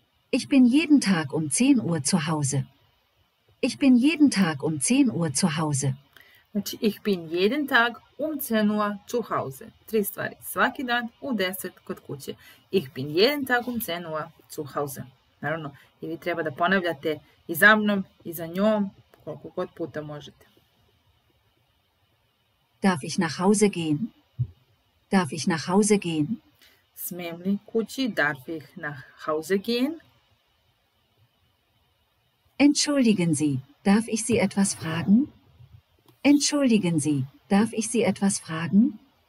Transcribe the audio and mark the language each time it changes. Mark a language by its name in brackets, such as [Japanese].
[German] Ich bin jeden Tag um 10 Uhr zu Hause. Ich bin jeden Tag um 10 Uhr zu Hause. Znači, ich bin jeden Tag um 10 Uhr zu Hause. [Serbian] Tri stvari. Svaki dan u 10 kod kuće. [German] Ich bin jeden Tag um 10 Uhr zu Hause. [Serbian] Naravno, i vi treba da ponavljate i za mnom i za njom koliko god puta možete. [German] Darf ich nach Hause gehen? Darf ich nach Hause gehen? [Serbian] Smem li kući? [German] Darf ich nach Hause gehen? Entschuldigen Sie, darf ich Sie etwas fragen? Entschuldigen Sie, darf ich Sie etwas fragen?